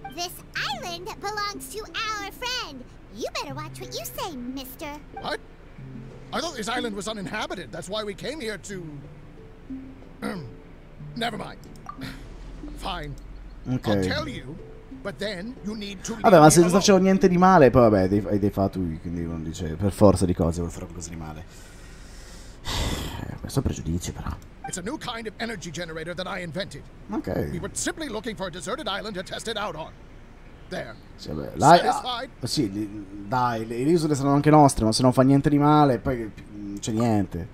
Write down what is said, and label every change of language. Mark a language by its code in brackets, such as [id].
[en] This island belongs to our friend. You better watch what you say, mister. What? I thought this island was uninhabited. That's why we came here to. Never mind. Fine. Okay. I'll tell you, but then you need to. [it] Vabbè, ma se non facevo niente di male, poi vabbè, hai dei fatui, quindi non dice per forza di cose vuol fare qualcosa di male. Questo è pregiudizio, però. [en] It's a new kind of energy generator that I invented. Okay. We were simply looking for a deserted island to test it out on. There. [it] Sì, vabbè, le isole saranno anche nostre, ma se non fa niente di male, poi c'è niente.